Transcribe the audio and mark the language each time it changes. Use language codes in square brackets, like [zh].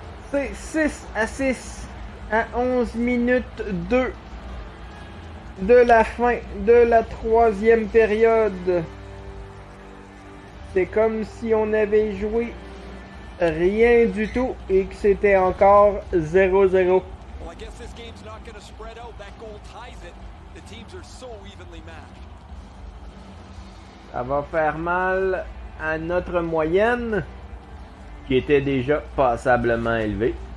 [fr] C'est 6 à 6 à 11 minutes 2 de la fin de la troisième période. C'est comme si on avait joué rien du tout et que c'était encore 0-0. [en] Well, I guess this game's not gonna spread out. That goal ties it. The teams are so evenly matched. [fr] Ça va faire mal à notre moyenne qui était déjà passablement élevée.